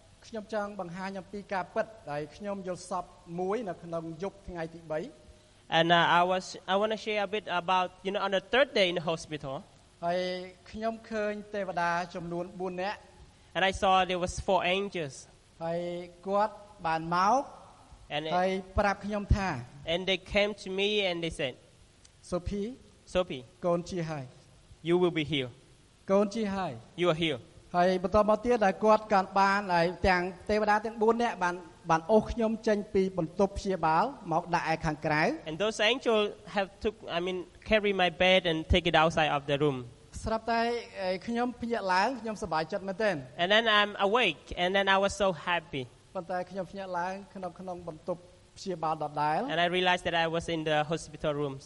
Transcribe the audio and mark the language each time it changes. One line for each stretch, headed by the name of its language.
Khmer: ខ្ញុំចង់បង្ហាញអំពីការពិតដែលខ្ញុំយល់សប់មួយនៅក្នុងយប់ថ្ងៃទី
English: 3 And I want to share a bit about on the third day in the hospital
Khmer: ហើយខ្ញុំឃើញទេវតាចំនួន4នាក់
English: And I saw there was 4 angels
Khmer: ហើយគាត់បានមកហើយប្រាប់ខ្ញុំថា
English: And they came to me and they said
Khmer: Sophie កូនជាហើយ
English: You will be healed
Khmer: កូនជាហើយ
English: You are healed
Khmer: ហើយបន្តមកទៀតដែលគាត់កាន់បានហើយទាំងទេវតាទាំង4នាក់បានអូសខ្ញុំចេញពីបន្ទប់ព្យាបាលមកដាក់ឯខាងក្រៅ
English: And those angels have took carry my bed and take it outside of the room
Khmer: ស្រាប់តែខ្ញុំភ្ញាក់ឡើងខ្ញុំសប្បាយចិត្តមែនទែន
English: And then I'm awake and then I was so happy
Khmer: ប៉ុន្តែខ្ញុំភ្ញាក់ឡើងក្នុងបន្ទប់ព្យាបាលដដែល
English: And I realized that I was in the hospital room